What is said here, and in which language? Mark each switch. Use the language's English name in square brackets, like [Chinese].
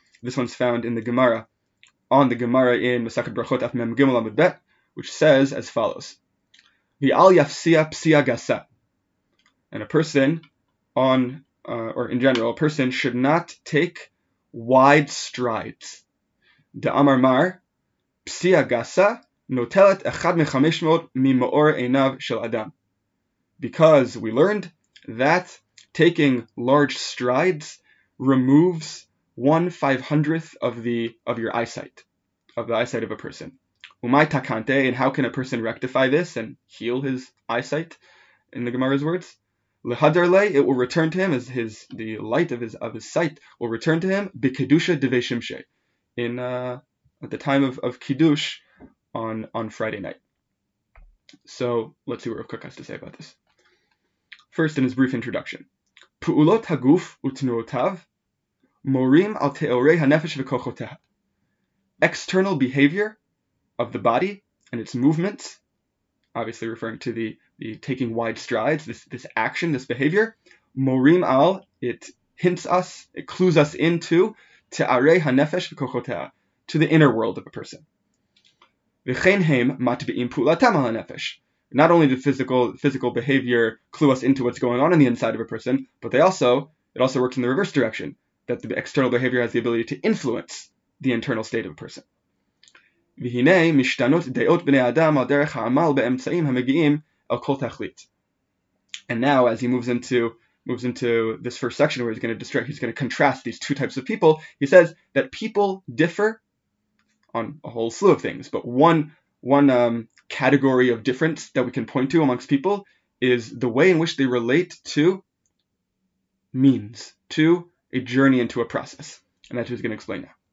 [English] This one's found in the Gemara, on the Gemara in Masechet Brachot af Mem Gimel Amud Bet, which says as follows: [Hebrew] V'al yafsiya psiya gasa. [English] And a person in general, a person should not take wide strides. [Hebrew] דאמר מר, פסיעה גסה נוטלת אחד מחמשמות ממאור עיניו של אדם. [English] Because we learned that taking large strides removes 1/500th of your eyesight, of the eyesight of a person. [Aramaic] ומאי תקנתיה, [English] and how can a person rectify this and heal his eyesight, in the Gemara's words? [Hebrew] להדר לי, [English] it will return to him, as his the light of his sight will return to him, [Aramaic] בקידושא דבי שמשי, [English] in at the time of Kiddush on Friday night. So let's see what Rav Kook has to say about this. First, in his brief introduction, [Hebrew] פעולות הגוף ותנועותיו מורים על תארי הנפש וכוחותיה. [English] External behavior of the body and its movements, obviously referring to the taking wide strides, this action, this behavior, [Hebrew] מורים על, [English] it hints us, it clues us into [Hebrew] תארי הנפש וכוחותיה, [English] to the inner world of a person. [Hebrew] וכן הם מטביעים פעולתם על הנפש. [English] Not only the physical behavior clue us into what's going on in the inside of a person, but it also works in the reverse direction, that the external behavior has the ability to influence the internal state of a person. [Hebrew] והנה משתנות דעות בני אדם על דרך העמל באמצעים המגיעים אל כל תכלית. [English] And now, as he moves into this first section where he's going to contrast these two types of people, he says that people differ on a whole slew of things, but one category of difference that we can point to amongst people is the way in which they relate to means, to a journey into a process, and that's what he's going to explain now.